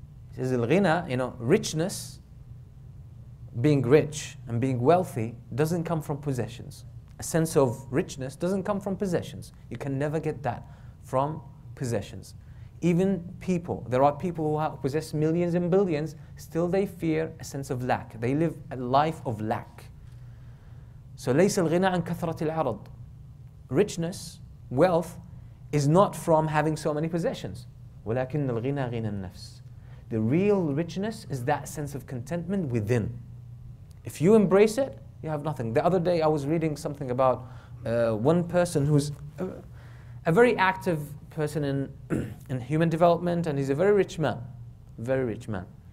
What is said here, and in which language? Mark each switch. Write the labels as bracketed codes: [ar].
[en] He says, Al-ghina, you know, richness, being rich and being wealthy, doesn't come from possessions. A sense of richness doesn't come from possessions. You can never get that from possessions. Even people, there are people who possess millions and billions, still they fear a sense of lack. They live a life of lack. So, [ar] ليس الغنى عن كثرة العرض. [en] Richness, wealth, is not from having so many possessions. [ar] ولكن الغنى غنى النفس. [en] The real richness is that sense of contentment within. If you embrace it, you have nothing. The other day I was reading something about one person who's a very active person in human development, and he's a very rich man, very rich man.